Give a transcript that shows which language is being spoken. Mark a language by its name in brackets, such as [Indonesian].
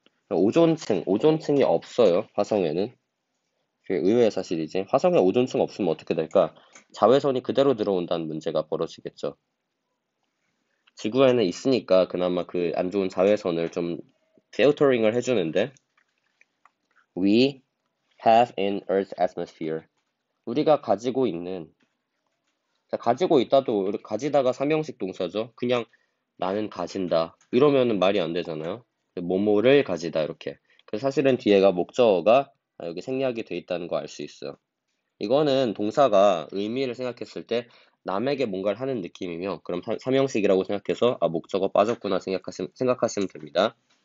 [Korean] 오존층이 없어요, 화성에는. 그게 의외의 사실이지. 화성에 오존층 없으면 어떻게 될까? 자외선이 그대로 들어온다는 문제가 벌어지겠죠. 지구에는 있으니까 그나마 그안 좋은 자외선을 좀 필터링을 해주는데. [English] We have an Earth atmosphere. [Korean] 우리가 가지고 있는. 가지고 있다도, 가지다가 삼형식 동사죠. 그냥 나는 가진다. 이러면 말이 안 되잖아요. 뭐뭐를 가지다 이렇게. 그래서 사실은 뒤에가 목적어가 여기 생략이 돼 있다는 거알수 있어요. 이거는 동사가 의미를 생각했을 때 남에게 뭔가를 하는 느낌이며, 그럼 삼형식이라고 생각해서 아 목적어 빠졌구나 생각하시면 됩니다.